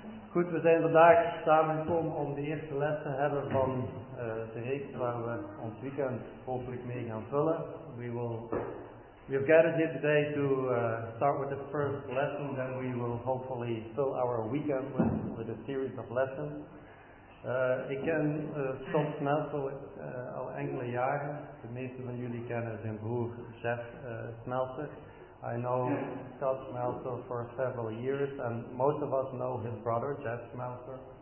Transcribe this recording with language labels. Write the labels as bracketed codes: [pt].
[nl] Goed, we zijn vandaag samen gekomen om de eerste les te hebben van de reeks waar we ons weekend hopelijk mee gaan vullen. [en] We've gathered here today to start with the first lesson, then we will hopefully fill our weekend with a series of lessons. [nl] Ik ken soms Smeltel al enkele jaren. De meeste van jullie kennen zijn broer Jeff Smeltel. [en] I know Todd Smeltel for several years, and most of us know his brother, Jeff Smeltel.